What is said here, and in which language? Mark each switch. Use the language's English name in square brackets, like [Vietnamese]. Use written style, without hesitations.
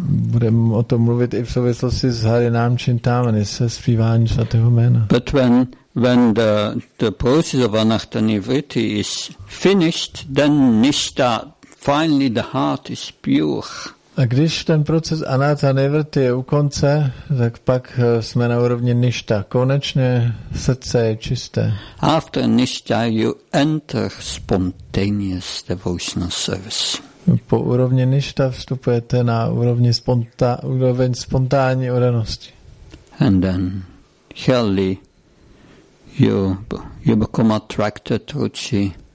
[Czech] Budeme o tom mluvit i v souvislosti s Harinam Chintamani, se zpíváním svatého jména. [English] But when the process of anartha nivritti is finished, then nishta, finally the heart is pure. [Czech] A když ten proces anartha nivritti je u konce, tak pak jsme na úrovni nishta. Konečně srdce je čisté. [English] After nishta you enter spontaneous devotional service. [Czech] Po úrovni nishta vstupujete na úrovni spontánní odanosti. [English] And then clearly you become attracted to Ruchi.